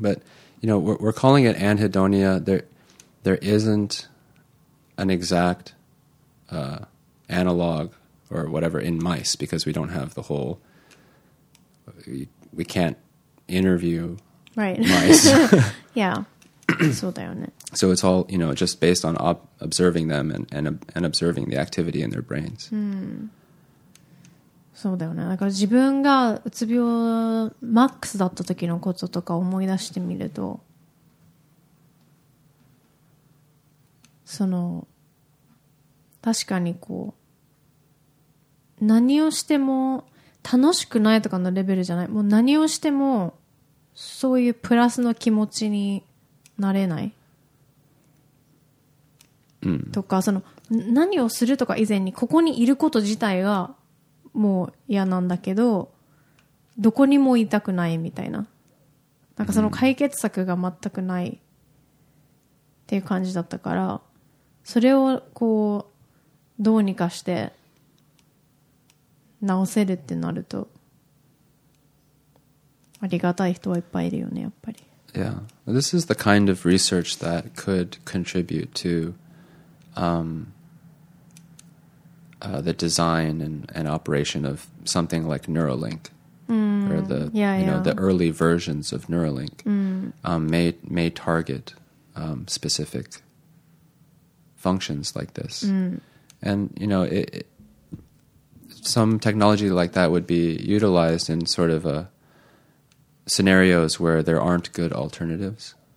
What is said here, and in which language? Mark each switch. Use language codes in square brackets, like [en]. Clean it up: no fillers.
[en] But, you know, we're calling it anhedonia. There isn't an exact、analog or whatever in mice because we don't have the whole... We can't interview、 right. mice. [ja] Yeah. そうだよね。 [en] So it's all, you know, just based on observing them and observing the activity in their brains.、 [ja] そうだよね。だから自分がうつ病マックスだった時のこととか思い出してみると、その、確かにこう、何をしても、楽しくないとかのレベルじゃない。もう何をしてもそういうプラスの気持ちになれない、とかその何をするとか以前にここにいること自体がもう嫌なんだけどどこにもいたくないみたいな、なんかその解決策が全くないっていう感じだったから、それをこうどうにかして直せるってなるとありがたい人はいっぱいいるよね、やっぱり。 [en] Yeah, this is the kind of research that could contribute to、the design and operation of something like Neuralink、or the, yeah, you know,、 yeah. the early versions of Neuralink、may target、specific functions like this、and you know itsome technology like that would be utilized in sort of a scenarios where there aren't good alternatives.